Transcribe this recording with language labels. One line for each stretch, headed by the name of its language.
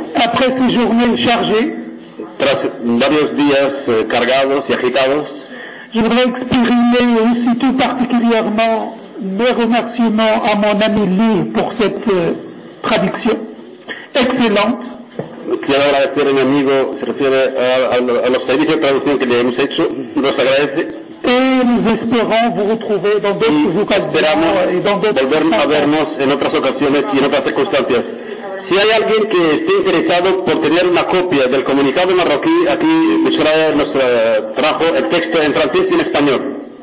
French: Après ces journées chargées.
Spanish: Tras varios días cargados y agitados.
French: Je voudrais exprimer aussi tout particulièrement mes remerciements à mon ami Lee pour cette traduction excellente.
Spanish: Quiero agradecer a mi amigo, se refiere a los servicios de traducción que le hemos hecho, nos agradece.
French: Et nous espérons vous retrouver dans d'autres occasions et dans d'autres
Spanish: volver a vernos en otras ocasiones y en otras circunstancias. Si hay alguien que esté interesado por tener una copia del comunicado marroquí, aquí Israel nos trajo el texto en francés y en español.